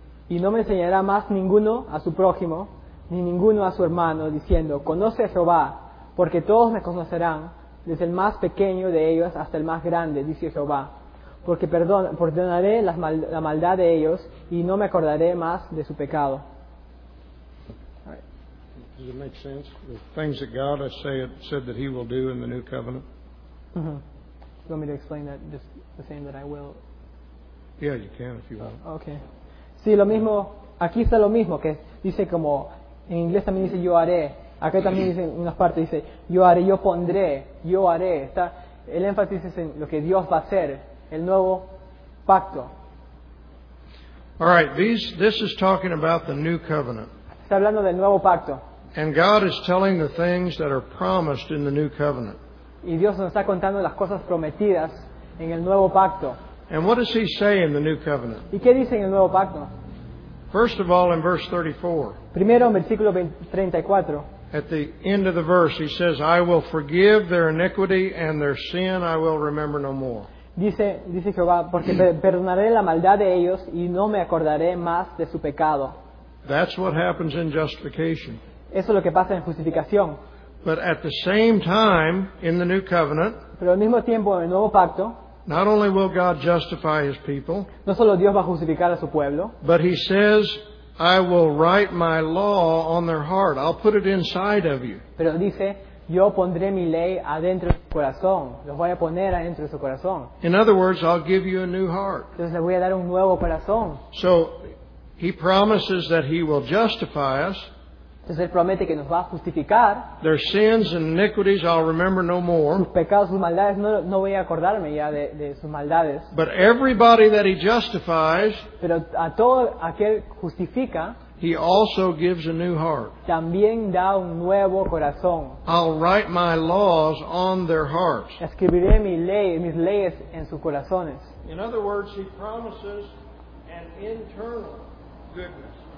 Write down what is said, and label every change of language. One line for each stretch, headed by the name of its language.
Spanish: Y no me enseñará más ninguno a su prójimo, ni ninguno a su hermano, diciendo, conoce a Jehová, porque todos me conocerán, desde el más pequeño de ellos hasta el más grande, dice Jehová. Porque perdonaré la maldad de ellos, y no me acordaré más de su pecado.
English: Does it make sense? The things that God has said that He will do in the new covenant. Mm-hmm. You want me to explain that just the same that I will? Yeah, you can if you want.
Spanish: Okay. Sí, lo mismo. Aquí está lo mismo que dice como en inglés también dice yo haré. Acá también dice en unas partes dice yo haré, yo pondré, yo haré. Está el énfasis es en lo que Dios va a hacer, el nuevo pacto.
English: All right. This is talking about the new covenant.
Spanish: Está hablando del nuevo pacto.
English: And God is telling the things that are promised in the new covenant.
Spanish: Y Dios nos está contando las cosas prometidas en el nuevo pacto.
English: And what does He say in the new covenant?
Spanish: ¿Y qué dice en el nuevo pacto?
English: First of all, in verse 34.
Spanish: Primero, en versículo 34.
English: At the end of the verse, He says, "I will forgive their iniquity and their sin; I will remember no more."
Spanish: Dice Jehová, porque perdonaré la maldad de ellos y no me acordaré más de su pecado.
English: That's what happens in justification.
Spanish: Eso es lo que pasa en justificación.
English: But at the same time, in the new covenant,
Spanish: pero al mismo tiempo en el nuevo pacto,
English: not only will God justify His people,
Spanish: no solo Dios va a justificar a su pueblo,
English: but He says, "I will write my law on their heart. I'll put it inside of you."
Spanish: Pero dice, yo pondré mi ley adentro de su corazón. Los voy a poner adentro de su corazón.
English: In other words, I'll give you a new heart.
Spanish: Entonces le voy a dar un nuevo corazón.
English: So He promises that He will justify us.
Spanish: Entonces Él promete que nos va a justificar.
English: Their sins and iniquities I'll remember no more.
Spanish: Sus pecados, sus maldades, no voy a acordarme ya de sus maldades.
English: But everybody that He justifies,
Spanish: pero a todo aquel justifica,
English: He also gives a new heart.
Spanish: También da un nuevo corazón.
English: I'll write my laws on their hearts.
Spanish: Escribiré mis leyes en sus corazones.
English: In other words, He promises an internal goodness.